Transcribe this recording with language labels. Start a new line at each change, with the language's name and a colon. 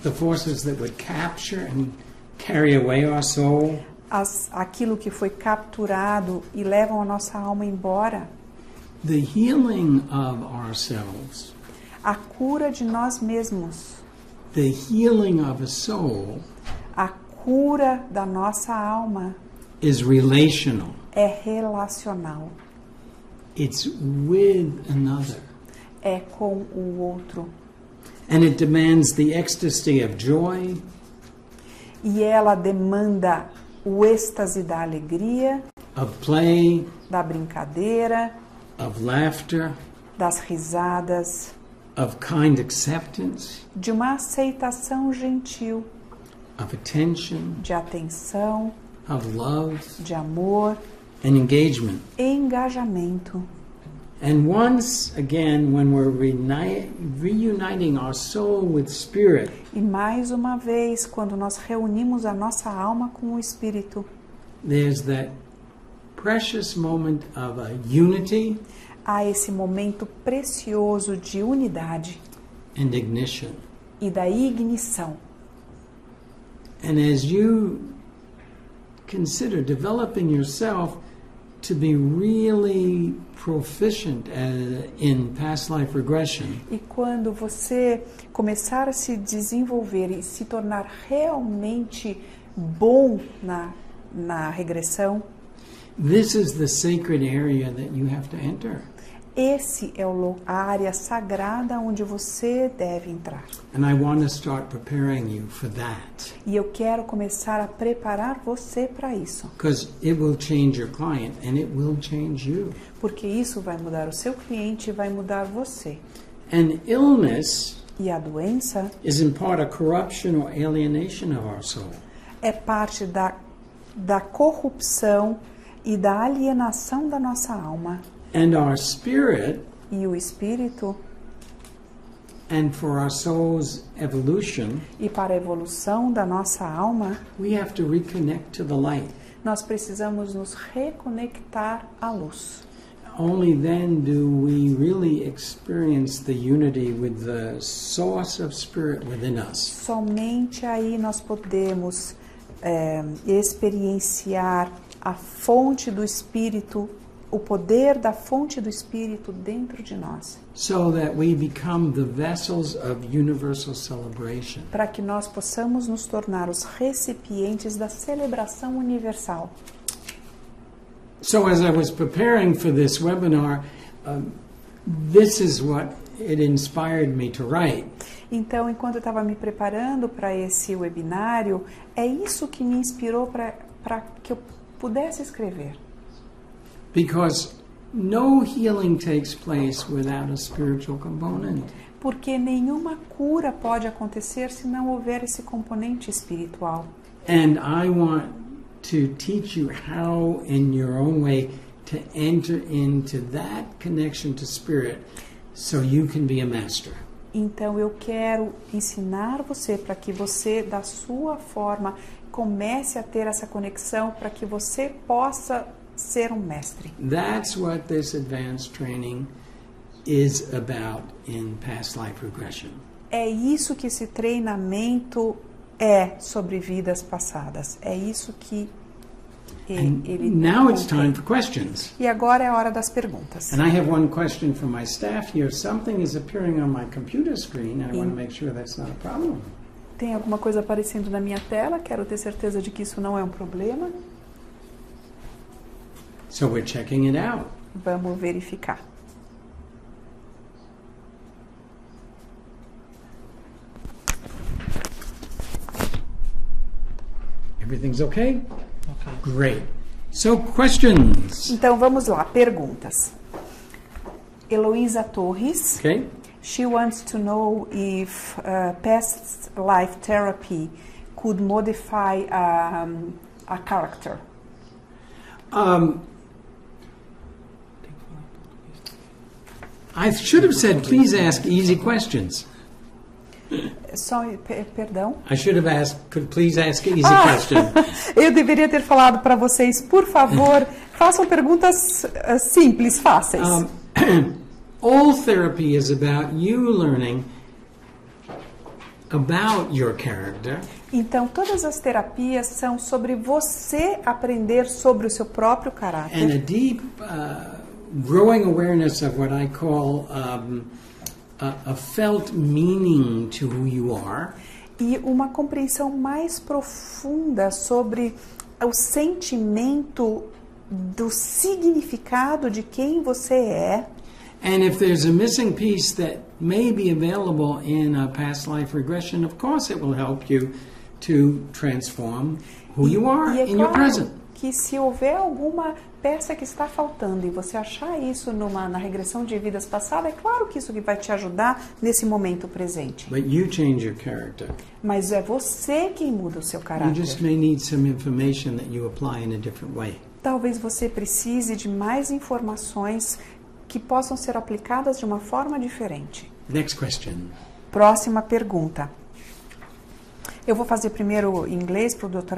English: the forces that would capture and carry away our soul,
Portuguese: Aquilo que foi capturado e levam a nossa alma embora.
English: the healing of ourselves,
Portuguese: A cura de nós mesmos.
English: the healing of a soul,
Portuguese: A cura da nossa alma
English: is relational.
Portuguese: é relacional.
English: It's with another.
Portuguese: É com o outro.
English: And it demands the ecstasy of joy.
Portuguese: E ela demanda o êxtase da alegria,
English: Of play.
Portuguese: da brincadeira,
English: Of laughter.
Portuguese: das risadas,
English: Of kind acceptance.
Portuguese: de uma aceitação gentil,
English: Of attention.
Portuguese: de atenção,
English: Of love.
Portuguese: de amor.
English: And engagement.
Portuguese: Engajamento.
English: And once again, when we're reuniting our soul with spirit,
Portuguese: E mais uma vez, quando nós reunimos a nossa alma com o Espírito,
English: there's that precious moment of a unity
Portuguese: há esse momento precioso de unidade
English: and ignition.
Portuguese: e da ignição.
English: And as you consider developing yourself to be really proficient in past life regression.
Portuguese: E quando você começar a se desenvolver e se tornar realmente bom na regressão,
English: this is the sacred area that you have to enter.
Portuguese: Esse é a área sagrada onde você deve entrar.
English: And I want to start preparing you for that.
Portuguese: E eu quero começar a preparar você para isso.
English: Because it will change your client and it will change you.
Portuguese: Porque isso vai mudar o seu cliente e vai mudar você.
English: And illness,
Portuguese: e a doença,
English: is in part a corruption or alienation of our soul.
Portuguese: É parte da corrupção e da alienação da nossa alma.
English: And our spirit,
Portuguese: e o espírito,
English: and for our soul's evolution,
Portuguese: e para a evolução da nossa alma,
English: we have to reconnect to the light.
Portuguese: Nós precisamos nos reconectar à luz.
English: Only then do we really experience the unity with the source of spirit within us.
Portuguese: Somente aí nós podemos experienciar a fonte do espírito, o poder da fonte do espírito dentro de nós.
English: So that we become the vessels of universal celebration.
Portuguese: Para que nós possamos nos tornar os recipientes da celebração universal.
English: So as I was preparing for this webinar, this is what it inspired me to write.
Portuguese: Então, enquanto eu estava me preparando para esse webinário, é isso que me inspirou para que eu pudesse escrever.
English: Because no healing takes place without a spiritual component.
Portuguese: Porque nenhuma cura pode acontecer se não houver esse componente espiritual.
English: And I want to teach you how, in your own way, to enter into that connection to spirit so you can be a master.
Portuguese: Então eu quero ensinar você para que você, da sua forma, comece a ter essa conexão para que você possa ser um mestre.
English: That's what this advanced training is about in past life regression.
Portuguese: É isso que esse treinamento é sobre vidas passadas. É isso que ele
English: And now it's time for questions.
Portuguese: E agora é a hora das perguntas.
English: And I have one question from my staff here. Something is appearing on my computer screen and I want to make sure that's not a problem.
Portuguese: Tem alguma coisa aparecendo na minha tela? Quero ter certeza de que isso não é um problema.
English: So we're checking it out.
Portuguese: Vamos verificar.
English: Everything's okay? Okay. Great. So questions.
Portuguese: Então vamos lá, perguntas. Eloísa Torres.
English: Okay. She wants to know if past life therapy could modify a character. I should have said, please ask easy questions.
Portuguese: Perdão.
English: I should have asked, could please ask an easy question.
Portuguese: Eu deveria ter falado para vocês, por favor, façam perguntas simples, fáceis.
English: All therapy is about you learning about your character.
Portuguese: Então, todas as terapias são sobre você aprender sobre o seu próprio caráter.
English: And a deep growing awareness of what I call a felt meaning to who you are.
Portuguese: E uma compreensão mais profunda sobre o sentimento do significado de quem você é.
English: And if there's a missing piece that may be available in a past life regression, of course it will help you to transform who you are in
Portuguese: claro
English: your present.
Portuguese: Que se houver alguma peça que está faltando e você achar isso na regressão de vidas passadas, é claro que isso que vai te ajudar nesse momento presente.
English: But you change your character.
Portuguese: Mas é você quem muda o seu caráter.
English: You just may need some information that you apply in a different way.
Portuguese: Talvez você precise de mais informações que possam ser aplicadas de uma forma diferente.
English: Next question.
Portuguese: Próxima pergunta. Eu vou fazer primeiro em inglês para o Dr.